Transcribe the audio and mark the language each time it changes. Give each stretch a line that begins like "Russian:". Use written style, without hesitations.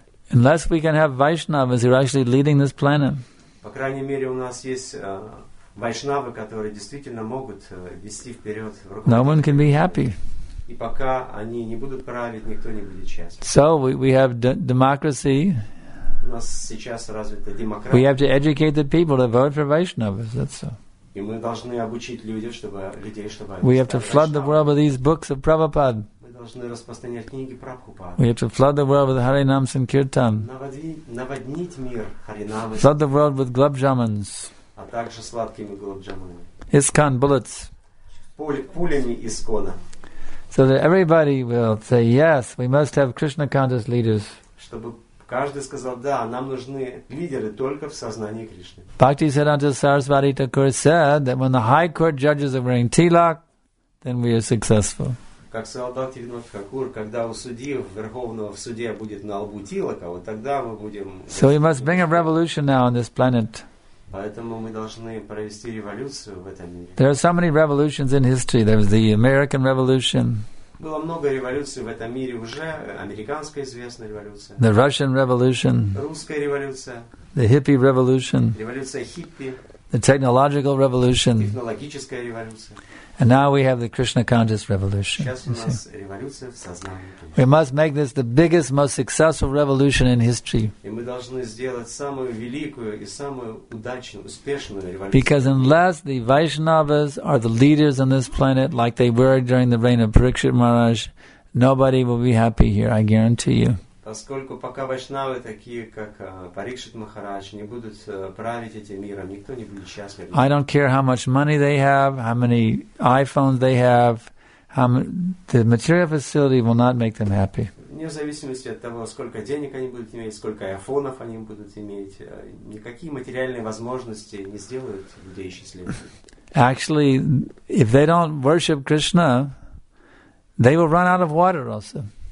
English: Unless we can have Vaishnavas who are actually leading this planet.
Russian: По крайней мере, у нас есть вайшнавы, которые действительно могут вести вперед.
English: No one can be happy.
Russian: И пока они не будут править, никто не будет счастлив.
English: So we have democracy.
Russian: У нас сейчас развита демократия.
English: We have to educate the people to vote for Vaishnavas. That's so.
Russian: И мы должны обучить людей, чтобы людей, чтобы.
English: We have to flood the world with these books of Prabhupada.
Russian: Мы должны распространять книги Прабхупады.
English: We have to flood the world with Харинамс and Киртан.
Russian: Наводнить мир Харинамс.
English: Flood the world with Глобджамонс.
Russian: А также сладкими Глобджамонами.
English: Искон bullets.
Russian: Пулями Искона.
English: So that everybody will say yes, we must have Krishna conscious leaders.
Russian: Чтобы каждый сказал, да, нам нужны лидеры только в сознании Кришны.
English: Bhakti Siddhanta Sarasvati Thakur said that when the high court judges are wearing tilak, then we are successful.
Russian: Как сказал Бхакти Винод Хакур, когда у судьи, верховного в суде будет на лбу тилака, вот тогда мы будем...
English: So we must bring a revolution now on this planet.
Russian: Поэтому мы должны провести революцию в этом мире.
English: There are so many revolutions in history. There was the American Revolution.
Russian: Было много революций в этом мире уже. Американская известная революция.
English: The Russian Revolution.
Russian: Русская революция.
English: The hippie revolution.
Russian: Революция хиппи.
English: The technological revolution.
Russian: Технологическая революция.
English: And now we have the Krishna conscious revolution.
Russian: Сейчас у нас революция в сознании.
English: We must make this the biggest, most successful revolution in history.
Russian: И мы должны сделать самую великую и самую удачную, успешную революцию.
English: Because unless the Vaishnavas are the leaders on this planet, like they were during the reign of Parikshit Maharaj, nobody will be happy here. I guarantee you.
Russian: Поскольку пока вайшнавы такие, как Парикшит Махарадж, не будут править этим миром, никто не будет счастлив.
English: I don't care how much money they have, how many iPhones they have, the material facility will not make them happy.
Russian: Вне зависимости от того, сколько денег они будут иметь, сколько айфонов они будут иметь, никакие материальные возможности не сделают людей счастливыми.
English: Actually, if they don't worship Krishna, they will run out of water also.